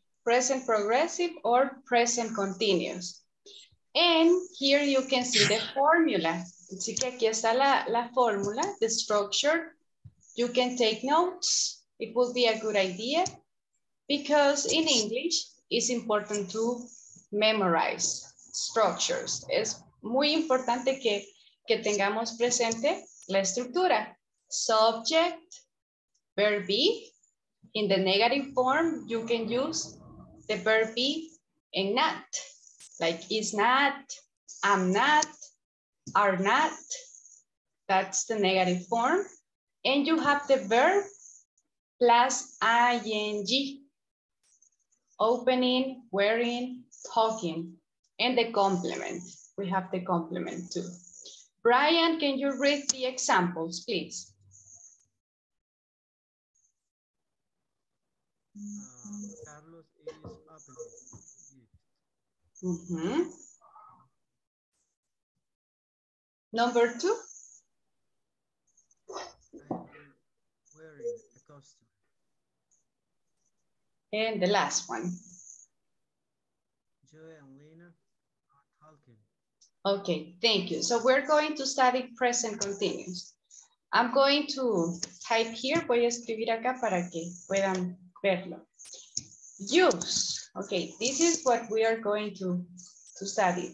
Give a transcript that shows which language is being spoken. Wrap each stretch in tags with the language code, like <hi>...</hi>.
<en>Present progressive or present continuous. And here you can see the formula.</en> <es>Así que aquí está la fórmula,</es> <en>the structure. You can take notes. It would be a good idea because in English, it's important to memorize structures.</en> <es>Es muy importante que tengamos presente la estructura.</es> <en>Subject, verb be. In the negative form, you can use the verb be and not. Like is not, am not, are not. That's the negative form. And you have the verb plus ing. Opening, wearing, talking, and the complement. We have the complement too. Brian, can you read the examples, please? Carlos is opening. Mm-hmm. Number two. Wearing a costume. And the last one. Joy and Lena are talking. Okay, thank you. So we're going to study present continuous. I'm going to type here.</en> <es>Voy a escribir acá para que puedan verlo.</es> <en>Use. Okay, this is what we are going to study.</en>